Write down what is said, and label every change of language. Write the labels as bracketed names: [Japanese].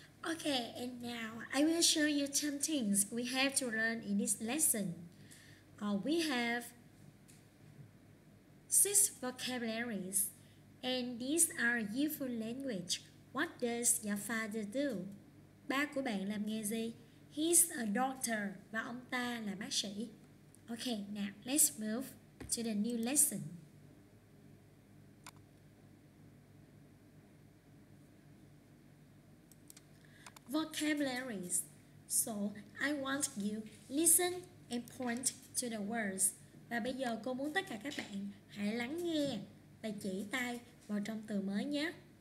[English] Okay, and now I will show you some things we have to learn in this lesson. We have 6 vocabularies, and these are useful language. What does your father do? [Vietnamese] Ba của bạn làm nghề gì? [English] He's a doctor, [Vietnamese] và ông ta là bác sĩ. [English] Okay, now let's move to the new lesson. Vocabularies. So, I want you listen and point to the words. [Vietnamese] Và bây giờ cô muốn tất cả các bạn hãy lắng nghe và chỉ tay vào trong từ mới nhé.